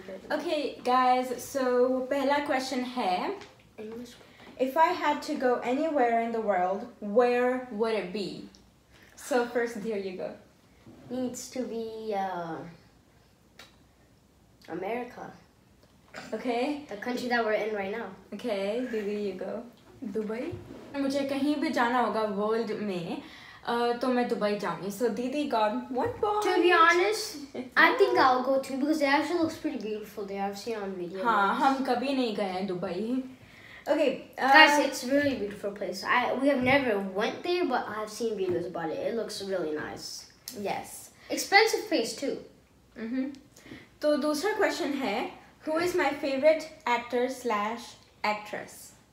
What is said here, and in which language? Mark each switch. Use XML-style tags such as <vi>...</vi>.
<en>Okay, guys, so</en> <hi>pehla question hai,</hi> <en>if I had to go anywhere in the world, where would it be? So first, here you go. Needs to be, America. Okay. The country that we're in right now. Okay, there you go. Dubai?</en> <hi>मुझे कहीं भी जाना होगा world में तो मैं Dubai जाऊंगी.</hi> <en>So didi got one point. To be honest, I think I'll go too because it actually looks pretty beautiful there. I've seen on video.</en> <hi>हाँ हम कभी नहीं गए हैं Dubai.</hi> <en>Okay, guys, it's really beautiful place. We have never went there, but I've seen videos about it. It looks really nice. Yes. Expensive place too.</en> <hi>तो दूसरा question है,</hi> <en>who is my favorite actor / actress?</en>